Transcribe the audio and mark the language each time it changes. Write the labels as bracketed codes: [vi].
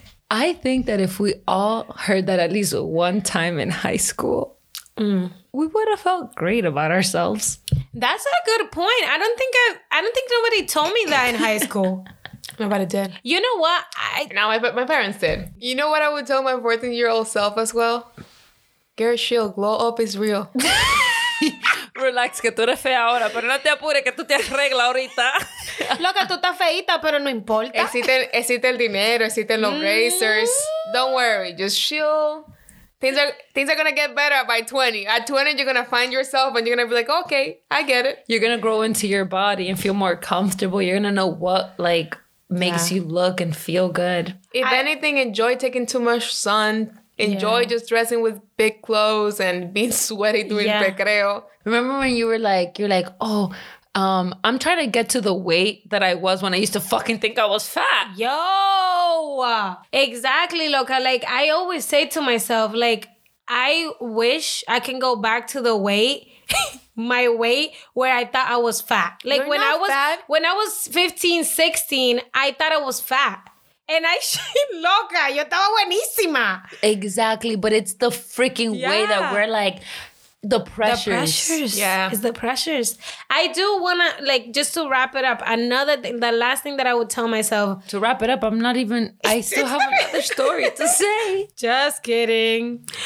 [en] I think that if we all heard that at least one time in high school, we would have felt great about ourselves. That's a good point. I don't think nobody told me that in high school. Nobody did. You know what? My parents did. You know what I would tell my 14-year-old self as well? Garrett Shield, glow up is real. [es] Relax, que tú eres fea ahora, pero no te apures, que tú te arreglas ahorita. Loca, tú estás feita, pero no importa. Existe el dinero, existen los razors. [en] Don't worry, just chill. Things are going to get better by 20. At 20, you're going to find yourself and you're going to be like, okay, I get it. You're going to grow into your body and feel more comfortable. You're going to know what, like, makes you look and feel good. If anything, enjoy taking too much sun. Enjoy just dressing with big clothes and being sweaty during recreo. Remember when you were like, I'm trying to get to the weight that I was when I used to fucking think I was fat. Yo, exactly, loca. Like, I always say to myself, like, I wish I can go back to the weight, my weight, where I thought I was fat. Like, when I was 15, 16, I thought I was fat. [es] And I, loca, yo estaba buenísima. [en] Exactly, but it's the freaking way that we're like... The pressures. I do want to, like, just to wrap it up, another thing, the last thing that I would tell myself. To wrap it up, I'm not even, I still have another story to say. Just kidding.